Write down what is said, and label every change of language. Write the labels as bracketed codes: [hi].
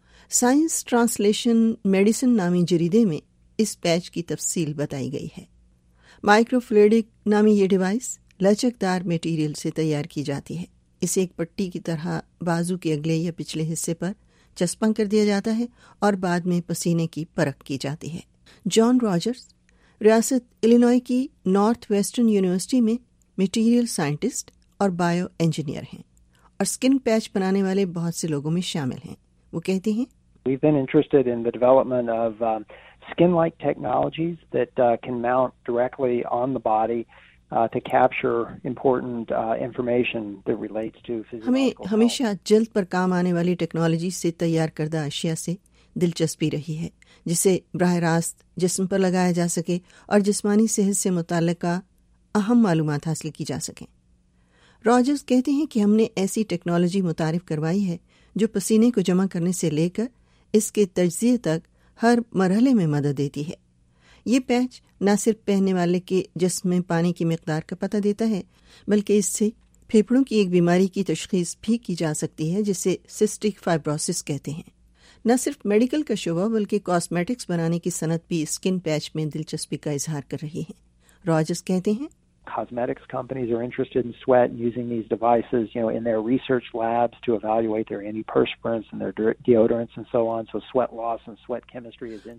[ur] Science translation medicine نامی جریدے میں اس پیچ کی تفصیل بتائی گئی ہے۔ مائکرو فلوئڈک نامی یہ ڈیوائس لچکدار میٹیریل سے تیار کی جاتی ہے۔ اسے ایک پٹی کی طرح بازو کے اگلے یا پچھلے حصے پر چسپاں کر دیا جاتا ہے اور بعد میں پسینے کی پرکھ کی جاتی ہے۔ جان راجرز ریاست الینوائے کی نارتھ ویسٹرن یونیورسٹی میں میٹیریل سائنٹسٹ اور بائیو انجینئر ہیں اور اسکن پیچ بنانے والے بہت سے لوگوں میں شامل ہیں۔ وہ کہتی ہیں، [en] We've been interested in the development of skin-like technologies that can mount directly on the body to capture important information that relates to physical [ur] ہمیں ہمیشہ جلد پر کام آنے والی ٹیکنالوجی سے تیار کردہ اشیاء سے دلچسپی رہی ہے، جسے براہ راست جسم پر لگایا جا سکے اور جسمانی صحت سے متعلقہ اہم معلومات حاصل کی جا سکیں۔ راجرز کہتے ہیں کہ ہم نے ایسی ٹیکنالوجی متعارف کروائی ہے جو پسینے کو جمع کرنے سے لے کر اس کے تجزیے تک ہر مرحلے میں مدد دیتی ہے۔ یہ پیچ نہ صرف پہننے والے کے جسم میں پانی کی مقدار کا پتہ دیتا ہے بلکہ اس سے پھیپھڑوں کی ایک بیماری کی تشخیص بھی کی جا سکتی ہے جسے سسٹک فائبروسس کہتے ہیں۔ نہ صرف میڈیکل کا شعبہ بلکہ کاسمیٹکس بنانے کی صنعت بھی اسکن پیچ میں دلچسپی کا اظہار کر رہی ہے۔ راجرز کہتے ہیں، [en] Cosmetics companies are interested in sweat using these devices, you know, in their research labs to evaluate their antiperspirants and their deodorants and so on. So sweat loss and sweat chemistry is interesting.